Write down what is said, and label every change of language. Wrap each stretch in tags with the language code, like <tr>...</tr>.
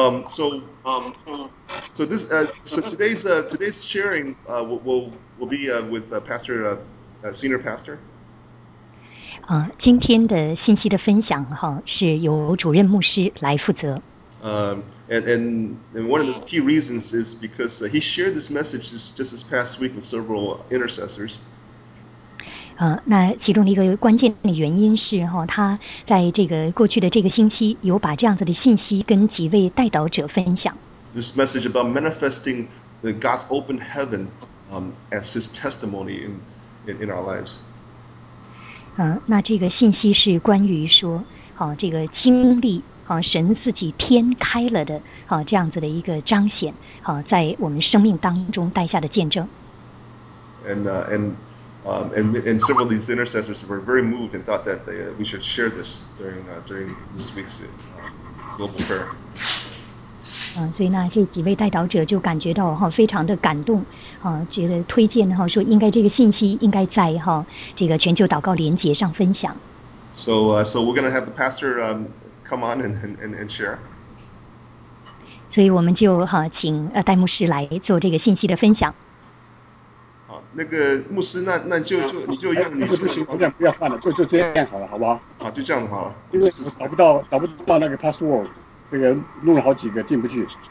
<en>So today's sharing will be with Pastor Senior Pastor.</en> <zh>今天的信息的分享是由主任牧师来负责。</zh> <en>And one of the key reasons is because he shared this message just this past week with several intercessors.</en> <zh>那其中的一个关键的原因是他在这个过去的这个星期有把这样子的信息跟几位代祷者分享。</zh> <en>This message about manifesting the God's open heaven as his testimony in our lives.</en> <zh>那这个信息是关于说这个经历神自己天开了的这样子的一个彰显在我们生命当中带下的见证。 And several of these intercessors were very moved and thought that we should share this during this week's global prayer. 所以那这几位代祷者就感觉到非常的感动。觉得推荐说应该这个信息应该在这个全球祷告连结上分享。</zh> <en>So we're going to have the pastor come on and share.</en> <zh>所以我们就请戴牧师来做这个信息的分享。那个牧师那就你就用你说。不行，我想不要换了，就这样好了，好不好？就这样的好了。因为找不到那个 password， 这个录了好几个进不去。</zh>